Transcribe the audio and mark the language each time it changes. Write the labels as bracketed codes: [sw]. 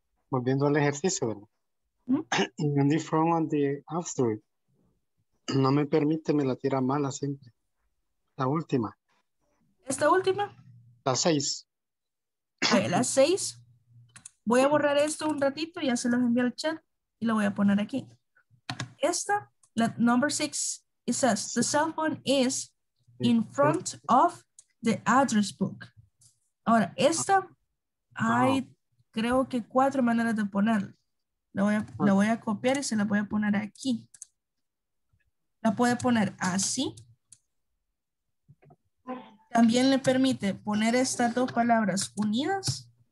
[es] Volviendo al ejercicio, ¿verdad? [en] ¿Mm? In the front and the after. [es] No me permite, me la tira mala siempre. La última. ¿Esta última? La 6. La 6. Voy a borrar esto un ratito, ya se los envío al chat y lo voy a poner aquí. Esta, la [en] number 6, it says, the cell phone is in front of the address book. [es] Ahora, esta, hay creo que 4 maneras de ponerla. La voy a copiar y se la voy a poner aquí. La puede poner así. También le permite poner estas dos palabras unidas.